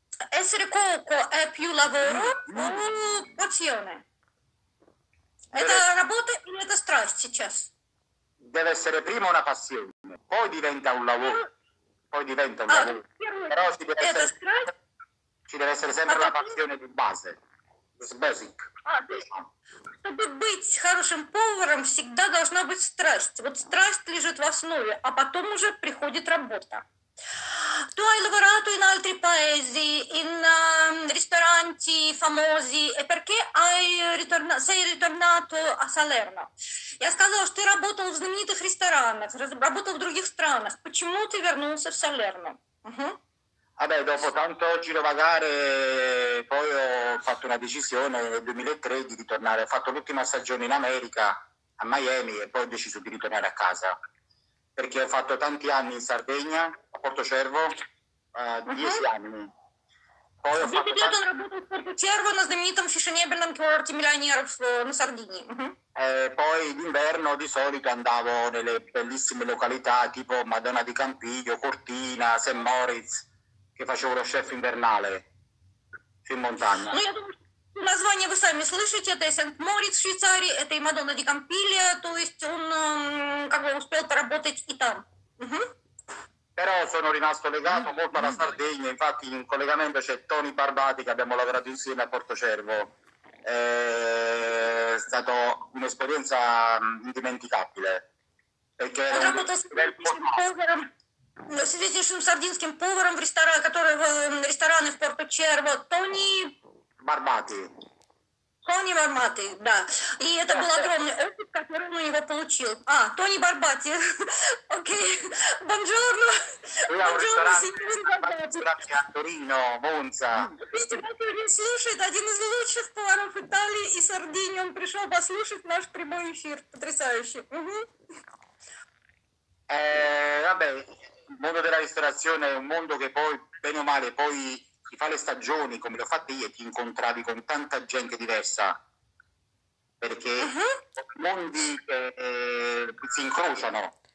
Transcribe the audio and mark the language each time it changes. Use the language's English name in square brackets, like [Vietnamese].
[Italian] Essere cuoco è più lavoro o passione? [Russian] Это работа или это страсть сейчас? [Italian] Deve essere prima una passione, poi diventa un lavoro, poi diventa un lavoro. Però ci deve essere [Russian] страсть? [Italian] Ci deve essere sempre la passione di base, [English] it's basic. [Russian] Чтобы быть хорошим поваром, всегда должна быть страсть. Вот страсть лежит в основе, а потом уже приходит работа. [Italian] Tu hai lavorato in altri paesi, in ristoranti famosi, e perché sei ritornato a Salerno? [Russian] Я сказала, что ты работал в знаменитых ресторанах, работал в других странах. Почему ты вернулся в Салерно? [Italian] Vabbè, dopo tanto girovagare, poi ho fatto una decisione nel 2003 di ritornare. Ho fatto l'ultima stagione in America, a Miami, e poi ho deciso di ritornare a casa. Perché ho fatto tanti anni in Sardegna, a Portocervo, 10 anni. Poi ho fatto tanti... Ho lavorato a Portocervo, nel [Russian] знаменитом фешенебельном курорте миллионеров на Сардинии. [Italian] Poi d'inverno di solito andavo nelle bellissime località tipo Madonna di Campiglio, Cortina, St. Moritz, che facevo lo chef invernale, in montagna. [Russian] Название вы сами слышите, это Сент-Мориц в Швейцарии, это и Мадонна ди Кампилья, то есть он как бы успел поработать и там. [Italian] Però sono rimasto legato molto alla Sardegna, infatti in collegamento c'è Tony Barbati che abbiamo lavorato insieme a Portocervo. È stata un'esperienza indimenticabile. Perché ho lavorato [Russian] с известнейшим сардинским поваром в ресторане, который в ресторане в Порточерво, Тони Барбати. Тони Барбати, да. И это был огромный опыт, который он у него получил. А, Тони Барбати. Окей. [Italian] Бонжорно. Бонжорно, сеньор [Russian] Барбати. Торино, Монца. Видите, который слушает один из лучших поваров Италии и Сардинии. Он пришел послушать наш прямой эфир. Потрясающе. [Italian] Vabbè, il mondo della ristorazione è un mondo che poi, bene o male, poi ti fa le stagioni come l'ho fatta io e ti incontravi con tanta gente diversa perché mondi si incrociano.